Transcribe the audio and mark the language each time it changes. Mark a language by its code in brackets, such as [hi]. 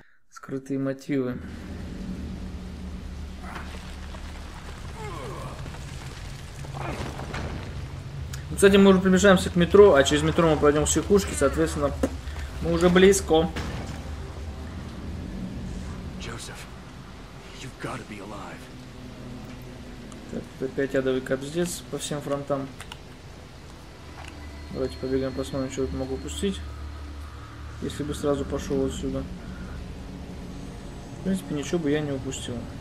[ru] Скрытые мотивы. Кстати, мы уже приближаемся к метро, а через метро мы пройдем к психушке, соответственно, мы уже близко. [en] Joseph, you've gotta be alive. [ru] Так, тут опять ядовый кобздец по всем фронтам. Давайте побегаем, посмотрим, что я могу упустить. Если бы сразу пошел отсюда. В принципе, ничего бы я не упустил.